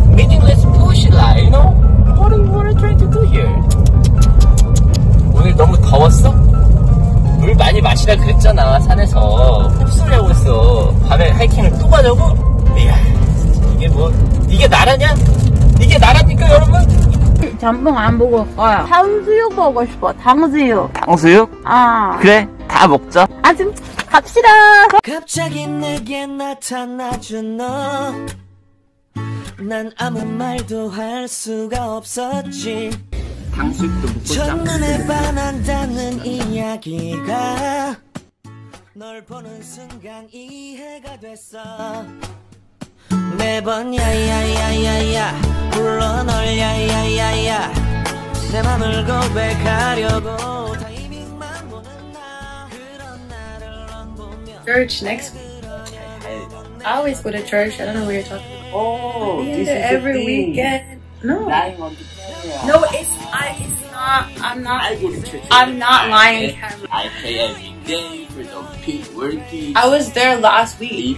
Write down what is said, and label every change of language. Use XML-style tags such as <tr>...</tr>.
<en>riding, let's push it, like, you know? What are you trying to do here?</en> <ko>오늘 너무 더웠어? 물 많이 마시라 그랬잖아, 산에서. 흡수하려고 했어. 밤에 하이킹을 또 가자고? 이야, 이게 뭐, 이게 나라냐? 이게 나라니까, 여러분? 전복 안 보고 싶어요. 탕수육 보고 싶어, 탕수육. 탕수육? 아. 그래, 다 먹자. 아, 지금 갑시다. 갑자기 내게 나타나준 너. 난 아무 말도 할 수가 없었지. 첫눈에 반한다는 이야기가 널 보는 순간 이해가 됐어. 매번 야야야야야 불러 널 야야야야 내 맘을 고백하려고 타이밍만 보는 나 그런 나를 안 보며</ko> <en>Church next. I always go to church. I don't know what you're talking about. Oh, I've been this there is every weekend. No. No, it's not. I'm not. I go to church. I'm not lying. I pray every day for the people working. I was there last week.</en>